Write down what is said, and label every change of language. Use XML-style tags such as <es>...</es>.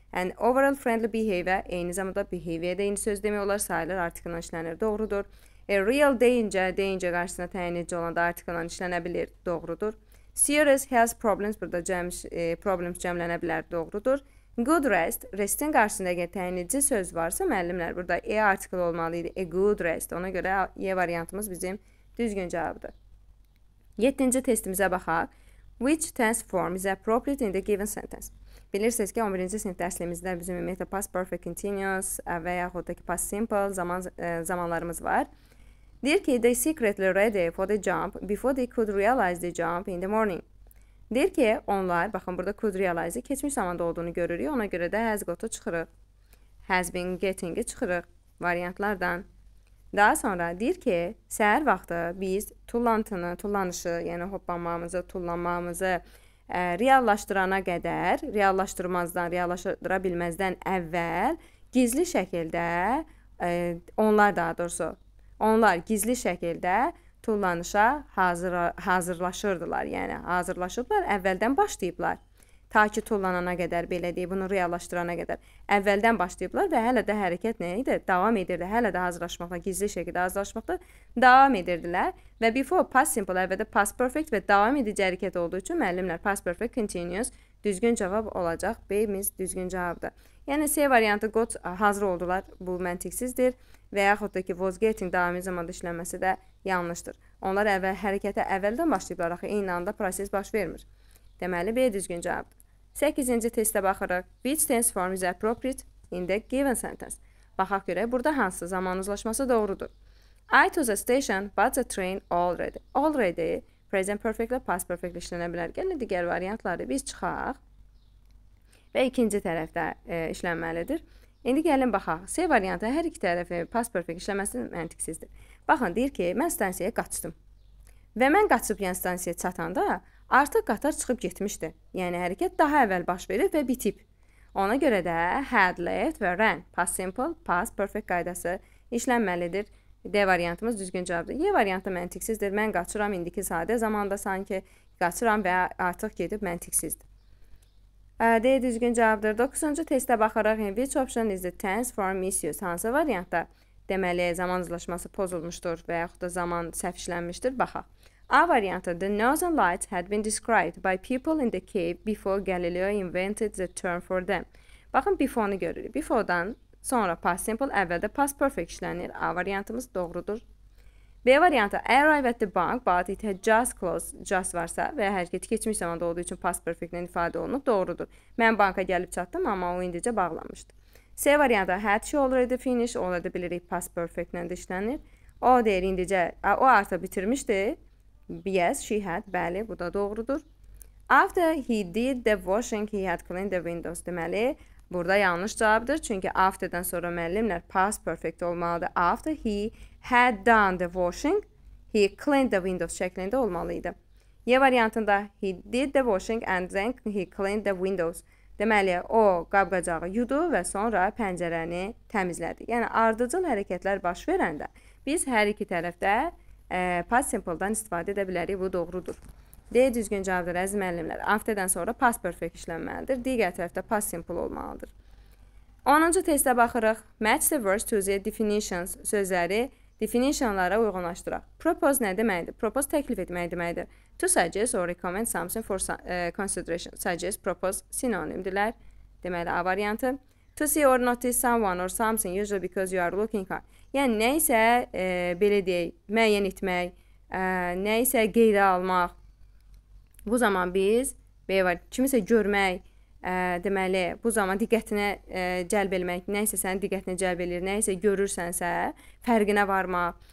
<en>And overall friendly behavior,</en> <az>eyni zamanda behavior də eyni söz demək olar, sayılır, artıq işlənir, doğrudur. Real danger qarşısında təyin edici olan da artikl olan işlənə bilir, doğrudur.</az> <en>Serious health problems,</en> <az>burada problems cəmlənə bilər, doğrudur. Good rest, restin qarşısında əgər təyin edici söz varsa, müəllimlər, burada e artikl olmalı idi, a good rest. Ona görə e variantımız bizim düzgün cavabdır. Yedinci testimizə baxaq.</az> <en>Which tense form is appropriate in the given sentence?</en> <az>Bilirsiniz ki, 11-ci sinif dərsliyimizdə bizim ümumiyyətlə past perfect continuous və yaxud da ki past simple zamanlarımız var. Deyir ki,</az> <en>they secretly ready for the jump before they could realize the jump in the morning.</en> <az>Deyir ki, onlar, baxın burada could realize keçmiş zamanda olduğunu görürük. Ona görə də has got-u çıxırıq. Has been getting-i çıxırıq variantlardan. Daha sonra deyir ki, səhər vaxtı biz tullanışı, yəni hoppanmağımızı, tullanmağımızı reallaşdırana qədər, reallaşdıra bilməzdən əvvəl gizli şəkildə onlar daha doğrusu onlar gizli şəkildə tullanışa hazırlaşırdılar. Yəni hazırlaşıblar, əvvəldən başlayıblar. Ta ki tullanana qədər belə deyib, bunu reallaşdırana qədər əvvəldən başlayıblar və hələ də hərəkət nə idi? Davam edirdi. Hələ də hazırlaşmaqla, gizli şəkildə hazırlaşmaqla davam edirdilər. Və before past simple, əvvəldə past perfect və davam edici hərəkət olduğu üçün müəllimlər past perfect continuous düzgün cavab olacaq. B-miz düzgün cavabdır. Yəni C variantı got hazır oldular. Bu məntiqsizdir. Və yaxud da ki was getting davamlı zamanda işlənməsi də yanlışdır. Onlar əvvəl hərəkətə əvvəldən başlayıblar axı eyni anda proses baş vermir. Deməli, B düzgün cavabdır. 8-ci testə baxırıq.</az> <en>Which tense form is appropriate in the given sentence?</en> <az>Baxaq görək, burada hansı zaman uzlaşması doğrudur?</az> <en>I to the station, but the train already.</en> <az>Already, present perfect, past perfect işlənə bilər. Gəlin, digər variantları biz çıxaq və ikinci tərəfdə işlənməlidir. İndi gəlin, baxaq. C variantı hər iki tərəfi past perfect işləməsi məntiqsizdir. Baxın, deyir ki, mən stansiyaya qaçdım. Və mən qaçıb yan stansiyaya çatanda artıq qatar çıxıb getmişdi. Yəni, hərəkət daha əvvəl baş verib və bitib. Ona görə də had left və ran. Past simple, past perfect qaydası işlənməlidir. D variantımız düzgün cavabdır. Y variantı məntiqsizdir. Mən qaçıram, indiki sadə zamanda sanki qaçıram və artıq gedib məntiqsizdir. D düzgün cavabdır. 9-cu testə baxaraq,</az> <en>which option is the tense form misused?</en> <az>Hansı variantda deməli, zaman uzlaşması pozulmuşdur və yaxud da zaman səhv işlənmişdir? Baxaq. A variantı,</az> <en>the northern lights had been described by people in the cave before Galileo invented the term for them.</en> <az>Baxın, before-nu görürük. Before-dan sonra past simple, əvvəldə past perfect işlənir. A variantımız doğrudur. B variantı,</az> <en>I arrived at the bank, but it had just closed,</en> <az>just varsa və hərəkət keçmiş zamanda olduğu üçün past perfect ilə ifadə olunub, doğrudur. Mən banka gəlib çatdım, amma o indicə bağlanmışdı. C variantı, had she already finished, already bilirik, past perfect ilə işlənir. O deyir, indicə, o artıq bitirmişdi.</az> <en>Yes, she had.</en> <az>Bəli, bu da doğrudur.</az> <en>After he did the washing, he had cleaned the windows.</en> <az>Deməli, burada yanlış cavabdır. Çünki after-dən sonra müəllimlər past perfect olmalıdır.</az> <en>After he had done the washing, he cleaned the windows şəklində olmalıydı.</en> <az>Y variantında</az> <en>he did the washing and then he cleaned the windows.</en> <az>Deməli, o qab-qacağı yudu və sonra pəncərəni təmizlədi. Yəni, ardıcıl hərəkətlər baş verəndə biz hər iki tərəfdə past simple-dan istifadə edə bilərik, bu doğrudur. D düzgün cavabdır, əziz müəllimlər. After-dən sonra past perfect işlənməlidir. Digər tərəfdə past simple olmalıdır. 10-cu testə baxırıq.</az> <en>Match the words to the definitions</en> <az>sözləri definitionlara uyğunlaşdıraq. Propose nə deməkdir? Propose təklif etmək deməkdir.</az> <en>To suggest or recommend something for consideration.</en> <az>Suggest, propose, sinonimdirlər. Deməli, A variantı.</az> <en>To see or notice someone or something, usually because you are looking at.</en> <az>Yəni, nə isə, belə deyək, müəyyən etmək, nə isə qeydə almaq. Bu zaman biz, belə var, kimisə görmək, deməli, bu zaman diqqətinə cəlb eləmək, nə isə sənin diqqətinə cəlb eləyir, nə isə görürsənsə, fərqinə varmaq.</az>